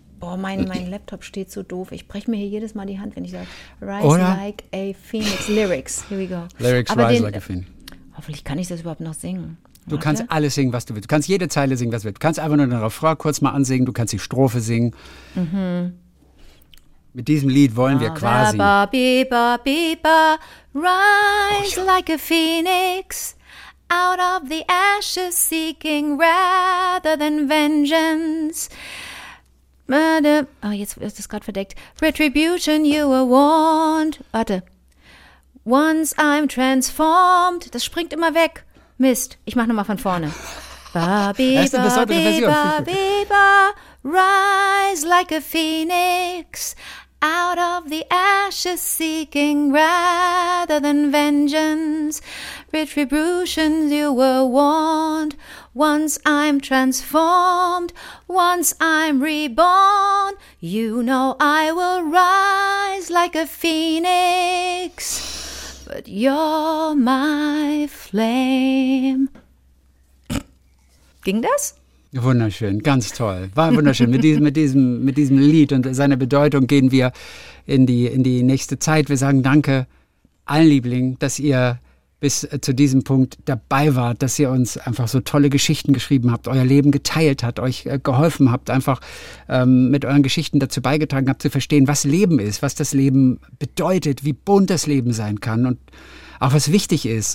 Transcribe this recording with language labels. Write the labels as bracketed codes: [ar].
[de] Boah, mein Laptop steht so doof. Ich breche mir hier jedes Mal die Hand, wenn ich sage, Rise oder? [en] Like a Phoenix. Lyrics, here we go. Lyrics, [de] aber [en] Rise [de] den, [en] Like a Phoenix. [de] Hoffentlich kann ich das überhaupt noch singen. Warte. Du kannst alles singen, was du willst. Du kannst jede Zeile singen, was du willst. Du kannst einfach nur den Refrain kurz mal ansingen. Du kannst die Strophe singen. Mhm. Mit diesem Lied wollen wir quasi. [en] Ba, ba, ba, ba, ba, rise like a phoenix, out of the ashes seeking rather than vengeance. Murder. [de] Oh, jetzt ist es gerade verdeckt. [en] Retribution, you were warned. [de] Warte. [en] Once I'm transformed. [de] Das springt immer weg. Mist. Ich mach nochmal von vorne. Ba-bi-ba-bi-ba-bi-ba. [en] Rise like a phoenix. Out of the ashes seeking rather than vengeance. Retribution, you were warned. Once I'm transformed, once I'm reborn, you know I will rise like a phoenix, but you're my flame. [de] Ging das? Wunderschön, ganz toll. War wunderschön. mit diesem Lied und seiner Bedeutung gehen wir in die nächste Zeit. Wir sagen danke allen Lieblingen, dass ihr bis zu diesem Punkt dabei wart, dass ihr uns einfach so tolle Geschichten geschrieben habt, euer Leben geteilt habt, euch geholfen habt, einfach mit euren Geschichten dazu beigetragen habt, zu verstehen, was Leben ist, was das Leben bedeutet, wie bunt das Leben sein kann und auch was wichtig ist.